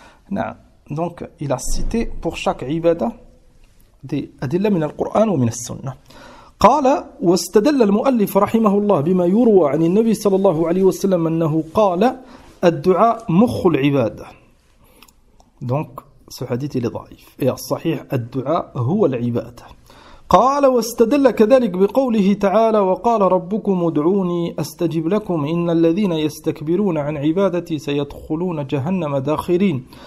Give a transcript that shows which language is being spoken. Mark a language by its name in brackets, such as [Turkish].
[Arabic] نعم, [French] donc il a cité pour chaque [Arabic] عبادة أدلة من القرآن ومن السنة. قال واستدل المؤلف رحمه الله بما يروى عن النبي صلى الله عليه وسلم أنه قال الدعاء مخ العبادة. [French] donc ce hadith est ضعيف. [Arabic] et الصحيح الدعاء هو العبادة. قال واستدل كذلك بقوله تعالى وقال ربكم ادعوني استجب لكم ان الذين يستكبرون عن عبادتي سيدخلون جهنم داخرين.